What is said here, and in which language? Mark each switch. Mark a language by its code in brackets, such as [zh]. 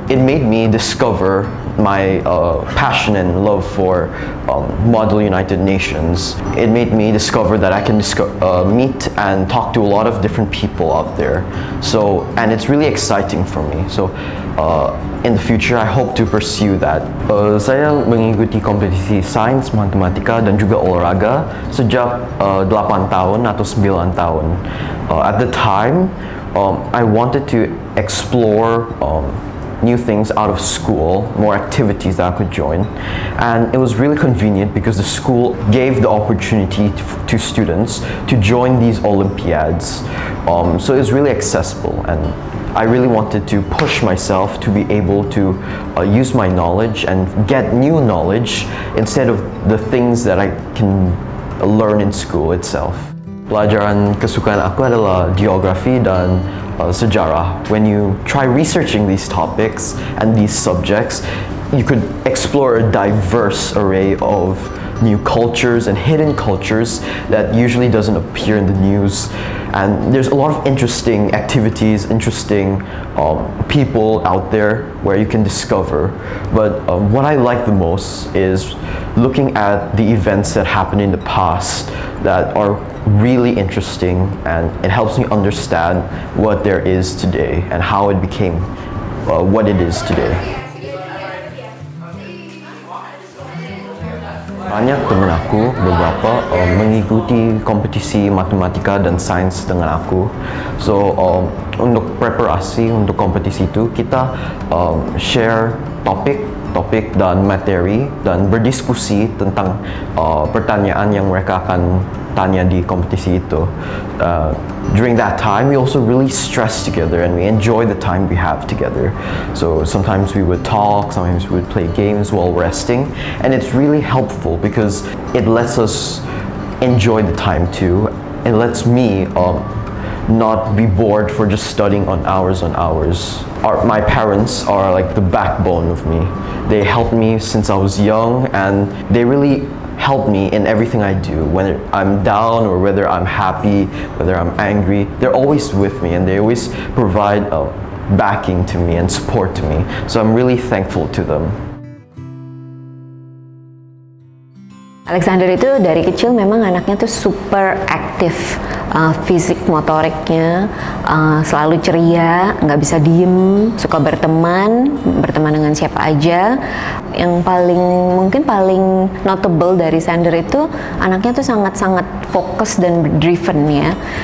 [en] It made me discover my passion and love for Model United Nations. It made me discover that I can meet and talk to a lot of different people out there. So, and it's really exciting for me. So, in the future, I hope to pursue that. [id] Saya mengikuti kompetisi sains, matematika, dan juga olahraga sejak 8 tahun atau 9 tahun. [en] At the time, I wanted to explore new things out of school, more activities that I could join. And it was really convenient because the school gave the opportunity to students to join these Olympiads. So it was really accessible, and I really wanted to push myself to be able to use my knowledge and get new knowledge instead of the things that I can learn in school itself. [id] Pelajaran kesukaan aku adalah geografi dan sejarah. [en] When you try researching these topics and these subjects, you could explore a diverse array of new cultures and hidden cultures that usually doesn't appear in the news. And there's a lot of interesting activities, interesting people out there where you can discover. But what I like the most is looking at the events that happened in the past that are really interesting, and it helps me understand what there is today and how it became what it is today. [id] Banyak teman aku, beberapa mengikuti kompetisi matematika dan sains dengan aku. So, untuk preparasi untuk kompetisi itu, kita share topik dan materi dan berdiskusi tentang pertanyaan yang mereka akan tanya di kompetisi itu. [en] During that time, we also really stress together and we enjoy the time we have together. So sometimes we would talk, sometimes we would play games while resting, and it's really helpful because it lets us enjoy the time too. It lets me not be bored for just studying on hours and hours. My parents are like the backbone of me. They helped me since I was young, and they really help me in everything I do, whether I'm down or whether I'm happy, whether I'm angry. They're always with me and they always provide backing to me and support to me. So I'm really thankful to them. [id] Alexander itu dari kecil memang anaknya tuh [en] super active. [id] fisik motoriknya selalu ceria, nggak bisa diem, suka berteman dengan siapa aja. Yang paling mungkin paling notable dari Sander itu anaknya tuh sangat-sangat fokus dan driven ya.